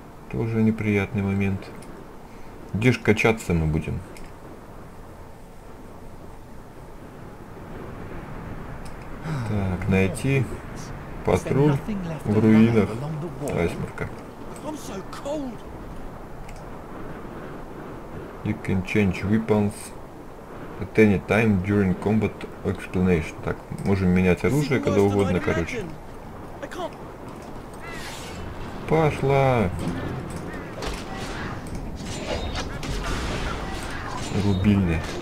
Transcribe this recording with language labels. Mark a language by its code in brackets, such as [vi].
[ru] Тоже неприятный момент. Где ж качаться мы будем? Так, найти патруль в руинах Айсмарка. [en] You can change weapons at any time during combat explanation. [ru] Так, можем менять оружие когда угодно, короче. Пошла! Рубильня.